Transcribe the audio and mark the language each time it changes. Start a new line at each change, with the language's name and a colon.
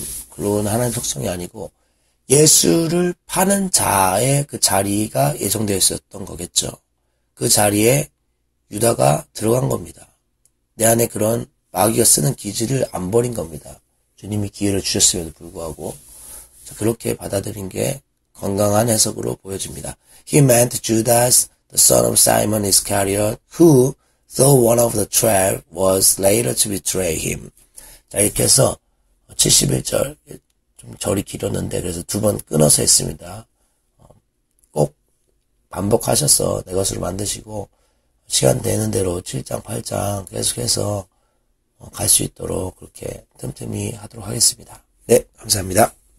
Korean: 그건 하나님의 속성이 아니고 예수를 파는 자의 그 자리가 예정되어 있었던 거겠죠. 그 자리에 유다가 들어간 겁니다. 내 안에 그런 마귀가 쓰는 기질을 안 버린 겁니다. 주님이 기회를 주셨음에도 불구하고 그렇게 받아들인 게 건강한 해석으로 보여집니다.
English: He meant Judas, the son of Simon Iscariot, who, though one of the 12, was later to betray him.
Korean: 자, 이렇게 해서 71절, 좀 절이 길었는데 그래서 두 번 끊어서 했습니다. 꼭 반복하셔서 내 것으로 만드시고 시간 되는 대로 7장, 8장 계속해서 갈 수 있도록 그렇게 틈틈이 하도록 하겠습니다. 네, 감사합니다.